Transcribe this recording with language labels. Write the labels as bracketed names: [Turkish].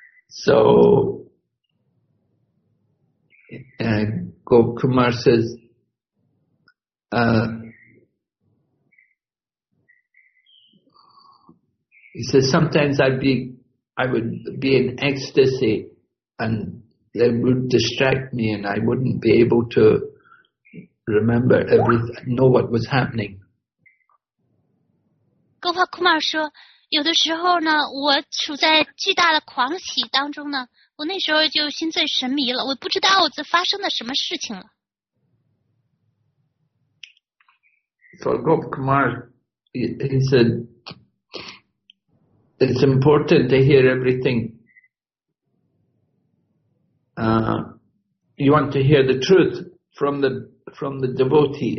[English] So, Gop Kumar says, he says, sometimes I would be in ecstasy and they would distract me and I wouldn't be able to remember everything, know what was happening. [Chinese] Gop Kumar 说有的时候呢，我处在巨大的狂喜当中呢，我那时候就心醉神迷了，我不知道我在发生了什么事情了。 [English] So Gop Kumar, he said, it's important to hear everything. You want to hear the truth from the devotee.